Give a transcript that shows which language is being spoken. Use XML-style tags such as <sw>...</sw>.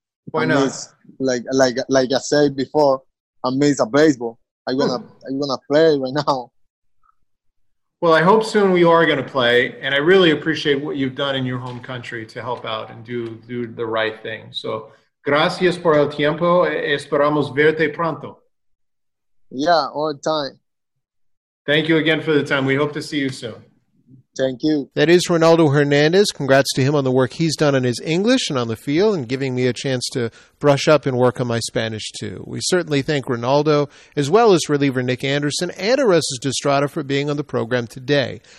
<en>Why not? Miss, like I said before, I miss a baseball. I'm gonna play right now. Well, I hope soon we are gonna play, and I really appreciate what you've done in your home country to help out and do the right thing.</en> <es>So, gracias por el tiempo. Esperamos verte pronto.</es> <en>Yeah, all the time. Thank you again for the time. We hope to see you soon. Thank you. That is Ronaldo Hernandez. Congrats to him on the work he's done on his English and on the field and giving me a chance to brush up and work on my Spanish too. We certainly thank Ronaldo, as well as reliever Nick Anderson and Orestes Destrada for being on the program today.</en>